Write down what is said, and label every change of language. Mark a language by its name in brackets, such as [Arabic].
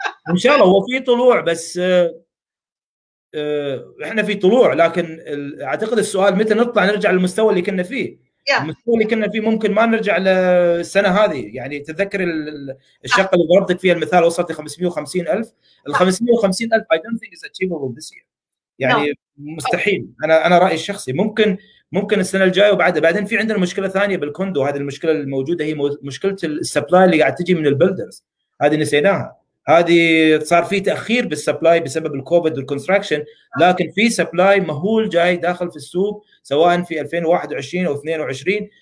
[Arabic] إن شاء الله هو في طلوع، بس إحنا في طلوع، لكن أعتقد السؤال متى نطلع نرجع للمستوى اللي كنا فيه. المستوى اللي كنا فيه ممكن ما نرجع للسنة هذه. يعني تذكر الشقة اللي ضربتك فيها المثال وصلت 550,000. [English] 550,000 I don't think is achievable this year. [Arabic] يعني مستحيل. أنا رأيي الشخصي ممكن السنة الجاية وبعدها. بعدين في عندنا مشكلة ثانية بالكوندو، هذه المشكلة الموجودة هي مشكلة السبلاي اللي قاعد تجي من البيلدرز، هذه نسيناها. هذه صار فيه تأخير بالسبلاي بسبب الكوفيد والكونستراكشن، لكن في سبلاي مهول جاي داخل في السوق سواء في 2021 أو 22.